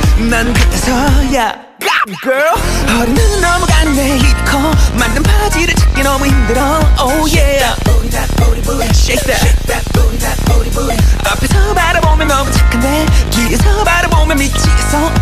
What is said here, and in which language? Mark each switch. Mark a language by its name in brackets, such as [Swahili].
[Korean] 난 그때서야. Girl, 허리는 너무 가는데 힙이 커. 만든 바지를 찾기 너무 힘들어. [English] Oh yeah. Shake that booty, that booty booty. [Korean] 앞에서 바라보면 너무 착한데 뒤에서 바라보면 미치겠어.